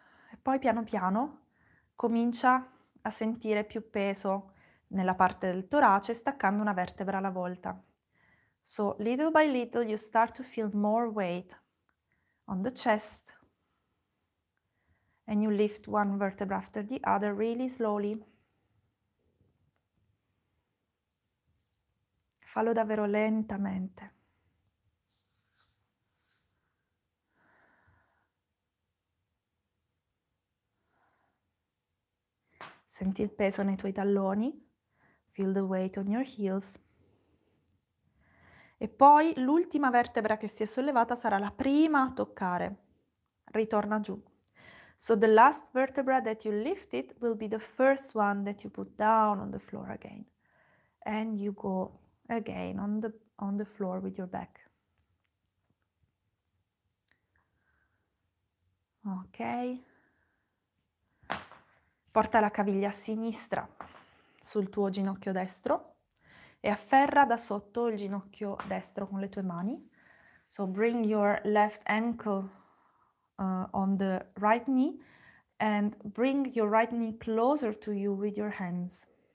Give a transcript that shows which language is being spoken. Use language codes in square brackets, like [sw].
[it] E poi piano piano comincia a sentire più peso nella parte del torace, staccando una vertebra alla volta. [en] So little by little you start to feel more weight on the chest and you lift one vertebra after the other really slowly. [it] Fallo davvero lentamente. Senti il peso nei tuoi talloni, [en] feel the weight on your heels. [it] E poi l'ultima vertebra che si è sollevata sarà la prima a toccare. Ritorna giù. [en] So the last vertebra that you lifted will be the first one that you put down on the floor again. And you go again on the floor with your back. Ok. [it] Porta la caviglia a sinistra sul tuo ginocchio destro e afferra da sotto il ginocchio destro con le tue mani. [en] So bring your left ankle on the right knee and bring your right knee closer to you with your hands.